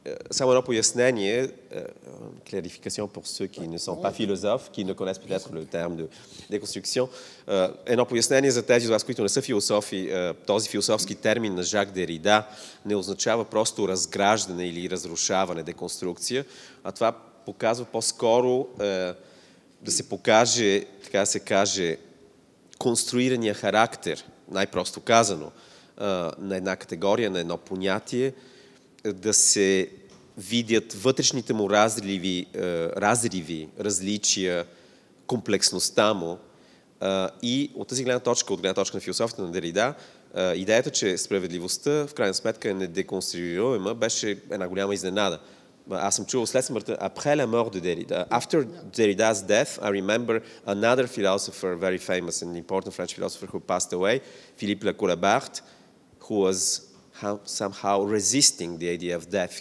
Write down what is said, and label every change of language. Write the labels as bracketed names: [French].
[Bulgarian] Само едно пояснение, [French] clarification pour ceux qui ne sont pas philosophes, qui ne connaissent peut-être le terme de déconstruction. [Bulgarian] Едно пояснение за тези от вас, които не са философи, този философски термин на Жак Дерида не означава просто разграждане или разрушаване, деконструкция, а това показва по-скоро да се покаже, така се каже, конструирания характер, най-просто казано, на една категория, на едно понятие, да се видят вътрешните му разриви, разриви, различия, комплексността му. И от тази гледна точка, от гледна точка на философията на Дерида, идеята, че справедливостта в крайна сметка е недеконструируема, беше една голяма изненада. Аз съм чувал след смъртта, [French] après la mort de Derrida, [English] after Derrida's death, I remember another philosopher, very famous and important French philosopher who passed away, Philippe Lacourabart, who was somehow resisting the idea of death.